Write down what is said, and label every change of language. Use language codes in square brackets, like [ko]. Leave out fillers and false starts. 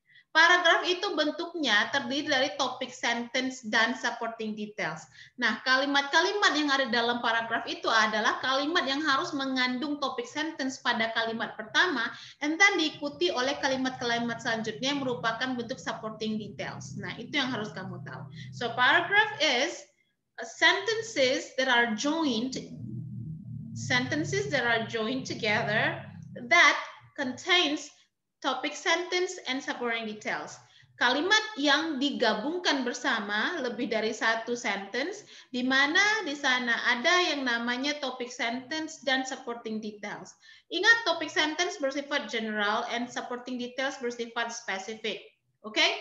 [id] Paragraf itu bentuknya terdiri dari topic sentence dan supporting details. Nah, kalimat-kalimat yang ada dalam paragraf itu adalah kalimat yang harus mengandung topic sentence pada kalimat pertama [en] and then [id] diikuti oleh kalimat-kalimat selanjutnya yang merupakan bentuk supporting details. Nah, itu yang harus kamu tahu. [en] So, paragraph is sentences that are joined, sentences that are joined together that contains topic sentence and supporting details. [id] Kalimat yang digabungkan bersama lebih dari satu sentence, di mana di sana ada yang namanya topic sentence dan supporting details. Ingat, topic sentence bersifat general and supporting details bersifat spesifik. Oke, okay?